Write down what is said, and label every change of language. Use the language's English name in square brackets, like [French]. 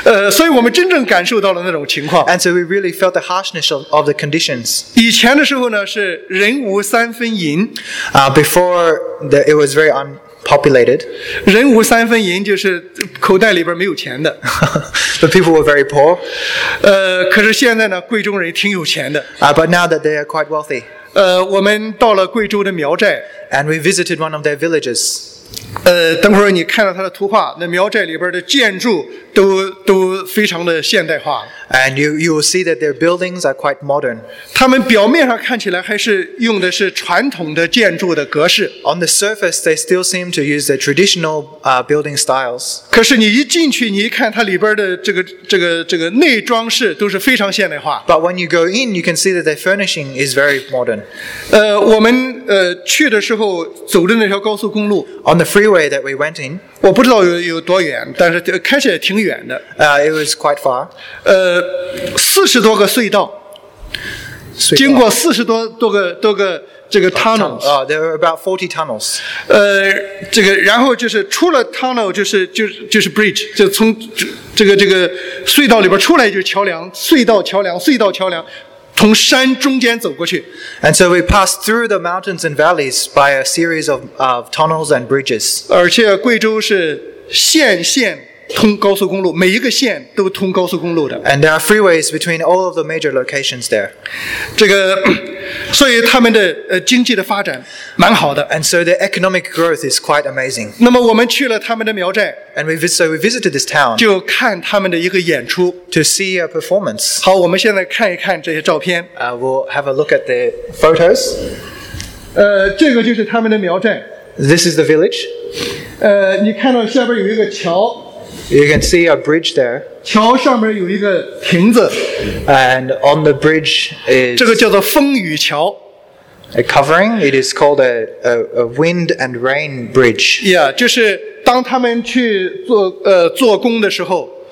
[Chinese] 所以我们真正感受到了那种情况。 [English] And so we really felt the harshness of the conditions. [Chinese] 以前的时候呢，是人无三分银。 [English] Before that, it was very unpopulated. [Chinese] 人无三分银就是口袋里边没有钱的。 [English] The people were very poor. [Chinese] 可是现在呢，贵州人挺有钱的。 [English] But now that they are quite wealthy. [Chinese] 我们到了贵州的苗寨。 [English] And we visited one of their villages. [Chinese] 等会儿你看到他的图画，那苗寨里边的建筑都非常的现代化。 [English] And you will see that their buildings are quite modern. [Chinese] 他们表面上看起来还是用的是传统的建筑的格式。 [English] On the surface, they still seem to use the traditional building styles. [Chinese] 可是你一进去，你一看它里边的这个内装饰都是非常现代化。 [English] But when you go in, you can see that their furnishing is very modern. [Chinese] 我们去的时候走的那条高速公路。 [English] On the freeway that we went in. [Chinese] 我不知道有多远，但是开起来挺远的。 [English] It was quite far. [Chinese] 四十多个隧道，经过四十多个这个 tunnels。 [English] There were about 40 tunnels. [Chinese] 这个然后就是出了 tunnel 就是 bridge， 就从这个隧道里边出来就是桥梁，隧道桥梁。从山中间走过去。 [English] And so we passed through the mountains and valleys by a series of tunnels and bridges. [Chinese] 而且贵州是县县通高速公路，每一个县都通高速公路的。 [English] And there are freeways between all of the major locations there. [Chinese] 这个，所以他们的经济的发展蛮好的。 [English] And so the economic growth is quite amazing. [Chinese] 那么我们去了他们的苗寨。 [English] And we visited this town. [Chinese] 就看他们的一个演出。 [English] To see a performance. [Chinese] 好，我们现在看一看这些照片。 [English] We'll have a look at the photos. [Chinese] 这个就是他们的苗寨。 [English] This is the village. [Chinese] 你看到下边有一个桥。 [English] You can see a bridge there. [Chinese] 桥上面有一个亭子。 [English] And on the bridge is. [Chinese] 这个叫做风雨桥。 [English] A covering. It is called a wind and rain bridge. [Chinese] Yeah, 就是当他们去做工的时候。